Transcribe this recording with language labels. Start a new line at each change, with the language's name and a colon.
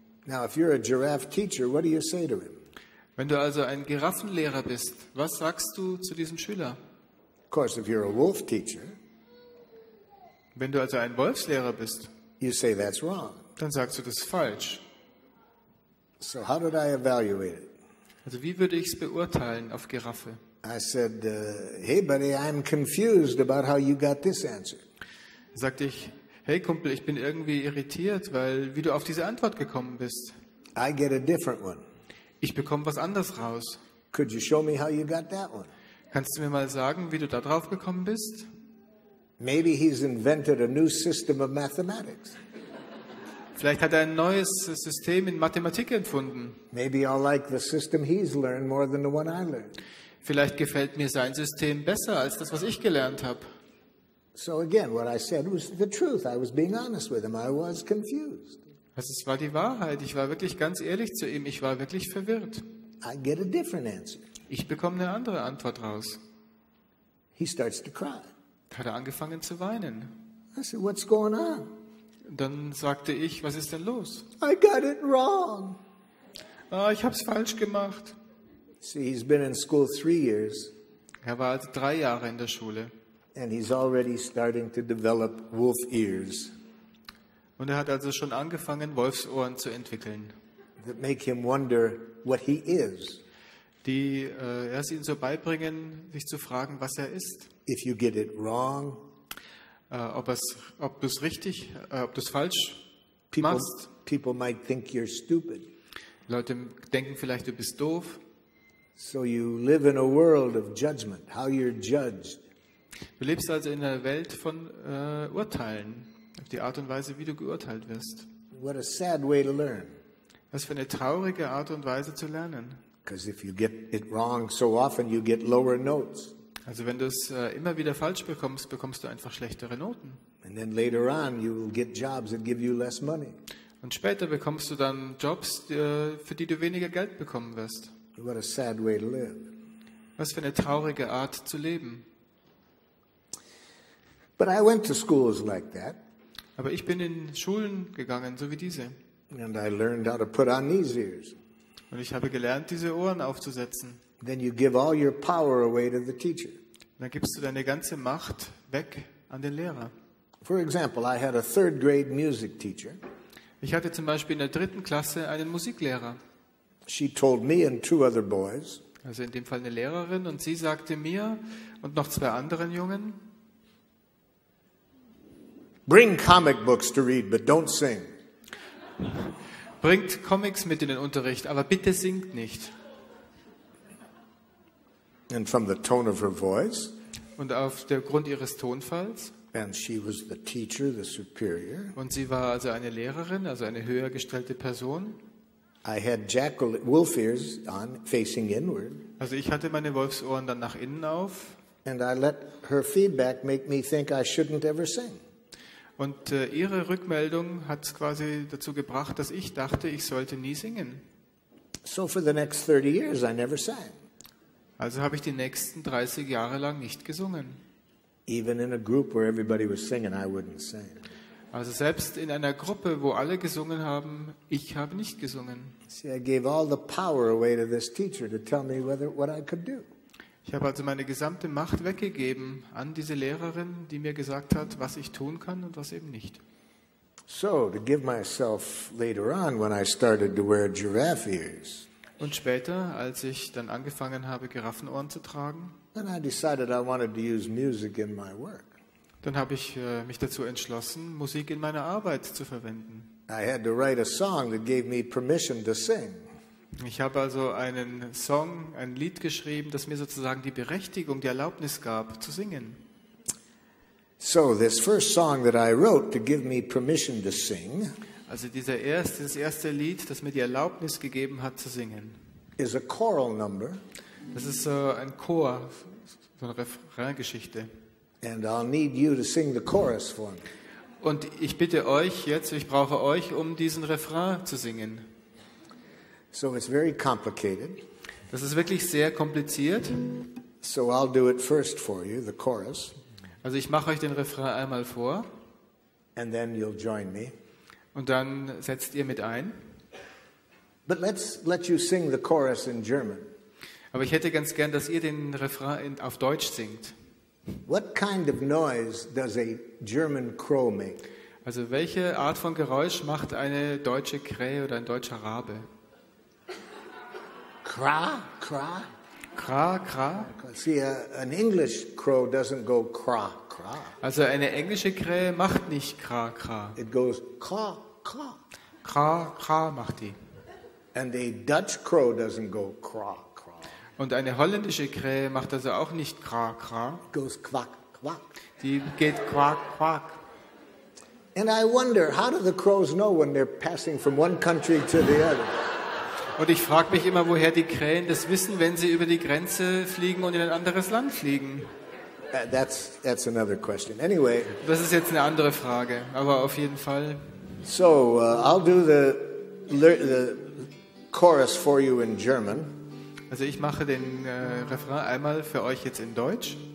English: Now if you're a giraffe teacher, what do you say to him?
German: Wenn du also ein Giraffenlehrer bist, was sagst du zu diesem Schüler?
English: Of course, if you're a wolf teacher,
German: wenn du also ein Wolfslehrer bist,
English: you say that's wrong.
German: Dann sagst du, das ist falsch.
English: So how did I evaluate it?
German: Also wie würde ich es beurteilen auf Giraffe?
English: I said, hey buddy, I'm confused about how you got this answer.
German: Sagte ich, hey Kumpel, ich bin irgendwie irritiert, weil wie du auf diese Antwort gekommen bist.
English: I get a different one.
German: Ich bekomme was anderes raus.
English: Could you show me how you got that one?
German: Kannst du mir mal sagen, wie du da drauf gekommen bist?
English: Maybe he's invented a new system of mathematics.
German: Vielleicht hat er ein neues System in Mathematik erfunden.
English: Maybe I like the system he's learned more than the one I learned.
German: Vielleicht gefällt mir sein System besser als das, was ich gelernt habe.
English: So again, what I said was the truth. I was being honest with him. I was confused.
German: Also, es war die Wahrheit. Ich war wirklich ganz ehrlich zu ihm. Ich war wirklich verwirrt.
English: I get a different answer.
German: Ich bekomme eine andere Antwort raus.
English: He starts to cry.
German: Hat er angefangen zu weinen.
English: I said, what's going on?
German: Dann sagte ich, was ist denn los?
English: I got it wrong.
German: Ah, ich habe es falsch gemacht.
English: See, he's been in school 3 years.
German: Er war also 3 Jahre in der Schule.
English: And he's already starting to develop wolf ears.
German: Und er hat also schon angefangen, Wolfsohren zu entwickeln.
English: That make him wonder what he is.
German: Die erst ihn so beibringen, sich zu fragen, was er ist.
English: If you get it wrong,
German: ob du es falsch
English: people,
German: machst.
English: People might think you're stupid.
German: Leute denken vielleicht, du bist doof.
English: So you live in a world of judgment, how you're judged.
German: Du lebst also in einer Welt von Urteilen, auf die Art und Weise, wie du geurteilt wirst.
English: What a sad way to learn.
German: Was für eine traurige Art und Weise zu lernen.
English: Because if you get it wrong so often, you get lower notes.
German: Also wenn du es immer wieder falsch bekommst, bekommst du einfach schlechtere Noten.
English: And then later on, you will get jobs that give you less money.
German: Und später bekommst du dann Jobs, für die du weniger Geld bekommen wirst.
English: What a sad way to live.
German: Was für eine traurige Art zu leben.
English: But I went to schools like that.
German: Aber ich bin in Schulen gegangen, so wie diese.
English: And I learned how to put on these ears.
German: Und ich habe gelernt, diese Ohren aufzusetzen.
English: Then you give all your power away to the teacher.
German: Dann gibst du deine ganze Macht weg an den Lehrer.
English: For example, I had a third grade music teacher.
German: Ich hatte zum Beispiel in der dritten Klasse einen Musiklehrer.
English: She told me and two other boys.
German: Also in dem Fall eine Lehrerin, und sie sagte mir und noch zwei anderen Jungen.
English: Bring comic books to read, but don't sing.
German: Bringt Comics mit in den Unterricht, aber bitte singt nicht.
English: And from the tone of her voice.
German: Und auf der Grund ihres Tonfalls.
English: And she was the teacher, the superior.
German: Und sie war also eine Lehrerin, also eine höher gestellte Person.
English: I had jackal wolf ears on, facing inward.
German: Also ich hatte meine Wolfsohren dann nach innen auf.
English: And I let her feedback make me think I shouldn't ever sing.
German: Und ihre Rückmeldung hat quasi dazu gebracht, dass ich dachte, ich sollte nie singen.
English: So for the next 30 years I never sang.
German: Also habe ich die nächsten 30 Jahre lang nicht gesungen.
English: Even in a group where everybody was singing, I wouldn't sing.
German: Also selbst in einer Gruppe, wo alle gesungen haben, ich habe nicht gesungen.
English: See, I gave all the power away to this teacher to tell me whether what I could do.
German: Ich habe also meine gesamte Macht weggegeben an diese Lehrerin, die mir gesagt hat, was ich tun kann und was eben nicht.
English: So, to give myself later on when I started to wear giraffe ears.
German: Und später, als ich dann angefangen habe, Giraffenohren zu tragen,
English: then I decided I wanted to use music in my work.
German: Dann habe ich mich dazu entschlossen, Musik in meiner Arbeit zu verwenden.
English: I had to write a song that gave me permission to sing.
German: Ich habe also einen Song, ein Lied geschrieben, das mir sozusagen die Berechtigung, die Erlaubnis gab, zu singen.
English: So, this first song that I wrote to give me permission to sing.
German: Also dieses erste Lied, das mir die Erlaubnis gegeben hat zu singen.
English: Is a choral number.
German: Das ist ein Chor, so eine Refrain-Geschichte.
English: And I'll need you to sing the chorus for me.
German: Und ich bitte euch jetzt, ich brauche euch, um diesen Refrain zu singen.
English: So it's very complicated.
German: Das ist wirklich sehr kompliziert.
English: So I'll do it first for you, the chorus.
German: Also ich mache euch den Refrain einmal vor.
English: And then you'll join me.
German: Und dann setzt ihr mit ein.
English: But let's let you sing the chorus in German.
German: Aber ich hätte ganz gern, dass ihr den Refrain auf Deutsch singt.
English: What kind of noise does a German crow make?
German: Also welche Art von Geräusch macht eine deutsche Krähe oder ein deutscher Rabe? Kra, kra. Kra, kra.
English: See, an English crow doesn't go kra, kra.
German: Also eine englische Krähe macht nicht kra, kra.
English: It goes kra, kra.
German: Kra, kra macht die.
English: And a Dutch crow doesn't go kra, kra.
German: Und eine holländische Krähe macht also auch nicht kra, kra.
English: It goes quack, quack.
German: Die geht quack, quack.
English: And I wonder, how do the crows know when they're passing from one country to the other?
German: Und ich frage mich immer, woher die Krähen das wissen, wenn sie über die Grenze fliegen und in ein anderes Land fliegen.
English: That's another question. Anyway.
German: Das ist jetzt eine andere Frage, aber auf jeden Fall.
English: So, I'll do the chorus for you in German.
German: Also ich mache den Refrain einmal für euch jetzt in Deutsch.